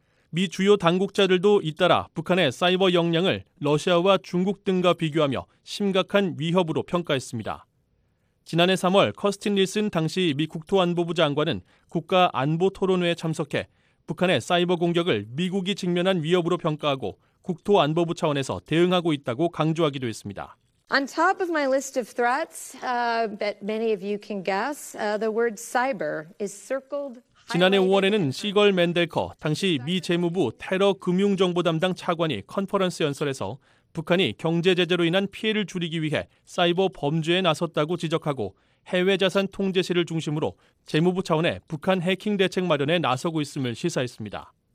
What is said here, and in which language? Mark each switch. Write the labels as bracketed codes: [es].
[ko] 미 주요 당국자들도 잇따라 북한의 사이버 역량을 러시아와 중국 등과 비교하며 심각한 위협으로 평가했습니다. 지난해 3월 커스틴 닐슨 당시 미 국토안보부 장관은 국가안보토론회에 참석해 북한의 사이버 공격을 미국이 직면한 위협으로 평가하고 국토안보부 차원에서 대응하고 있다고 강조하기도 했습니다. [en] On top of my list of threats, that many of you can guess, the word cyber is circled. [ko] 지난해 5월에는 시걸 맨델커 당시 미 재무부 테러 금융 정보 담당 차관이 컨퍼런스 연설에서 북한이 경제 제재로 인한 피해를 줄이기 위해 사이버 범죄에 나섰다고 지적하고 해외 자산 통제실을 중심으로 재무부 차원의 북한 해킹 대책 마련에 나서고 있음을 시사했습니다.